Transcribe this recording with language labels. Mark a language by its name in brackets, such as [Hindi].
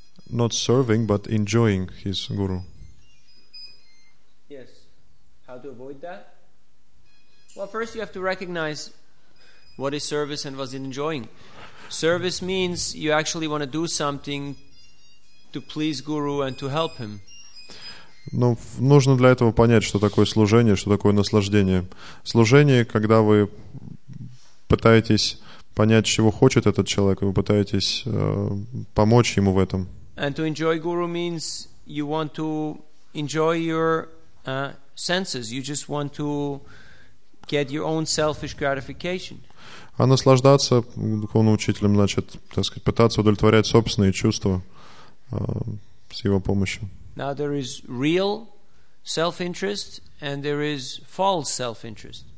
[English] not serving but enjoying his Guru. Yes. How to avoid that? Well, first you have to recognize what is service and what is enjoying. Service means you actually want to do something to please Guru and to help him. [Russian] Ну, нужно для этого понять, что такое служение, что такое наслаждение. Служение, когда вы пытаетесь понять, чего хочет этот человек, вы пытаетесь помочь ему в этом. [English] And to enjoy Guru means you want to enjoy your senses. You just want to get your own selfish gratification. [Russian] А наслаждаться духовным учителем значит, так сказать, пытаться удовлетворять собственные чувства с его помощью. [English] Now there is real self-interest and there is false self-interest.